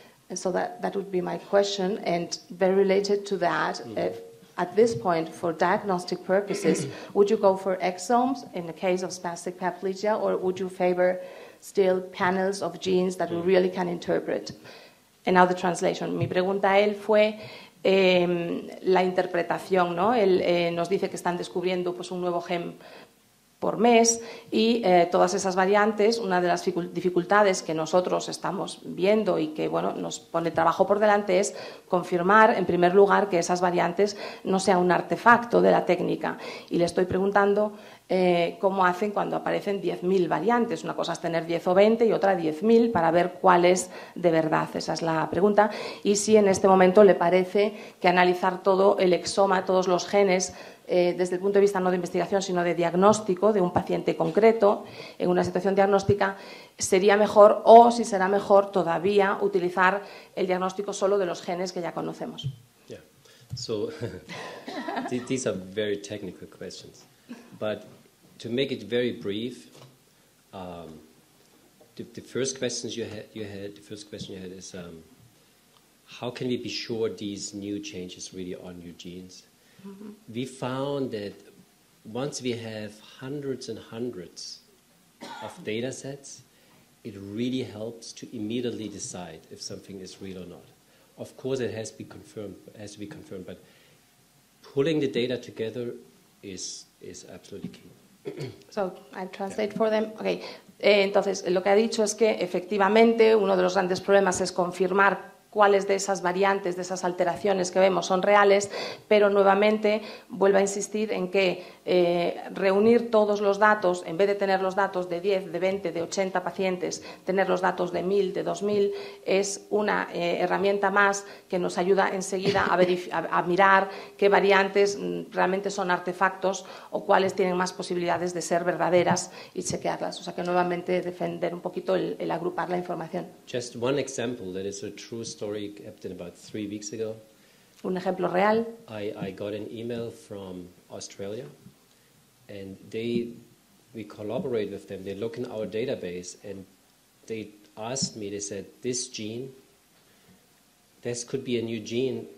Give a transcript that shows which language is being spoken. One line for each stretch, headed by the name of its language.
English: And so that would be my question. And very related to that, at this point, for diagnostic purposes, would you go for exomes in the case of spastic paraplegia, or would you favor still panels of genes that we really can interpret? And now the translation.
Spanish: Mi pregunta a él fue la interpretación, ¿no? Él nos dice que están descubriendo pues un nuevo gen por mes y todas esas variantes, una de las dificultades que nosotros estamos viendo y que, bueno, nos pone trabajo por delante es confirmar, en primer lugar, que esas variantes no sean un artefacto de la técnica. Y le estoy preguntando como hacen cuando aparecen 10.000 variantes. Una cosa es tener 10 o 20 y otra 10.000 para ver cuál es de verdad. Esa es la pregunta. Y si en este momento le parece que analizar todo el exoma, todos los genes, desde el punto de vista no de investigación, sino de diagnóstico de un paciente concreto, en una situación diagnóstica, sería mejor o si será mejor todavía utilizar el diagnóstico solo de los genes que ya conocemos.
English: So, these are very technical questions, but to make it very brief, the first question you had is how can we be sure these new changes really are new genes? Mm-hmm. We found that once we have hundreds and hundreds of data sets, it really helps to immediately decide if something is real or not. Of course, it has to be confirmed, but pulling the data together is absolutely key. So, I translate for them. Okay.
Spanish: Entonces, lo que ha dicho es que, efectivamente, uno de los grandes problemas es confirmar cuáles de esas variantes, de esas alteraciones que vemos son reales, pero nuevamente vuelvo a insistir en que reunir todos los datos, en vez de tener los datos de 10, de 20, de 80 pacientes, tener los datos de 1.000, de 2.000, es una herramienta más que nos ayuda enseguida a mirar qué variantes realmente son artefactos o cuáles tienen más posibilidades de ser verdaderas y chequearlas. O sea, que nuevamente defender un poquito el agrupar la información.
English: Just one example that is a true story happened about 3 weeks ago.
Spanish: Un ejemplo real.
English: I got an email from Australia, and we collaborate with them. They look in our database, and they asked me. They said, "This gene, this could be a new gene.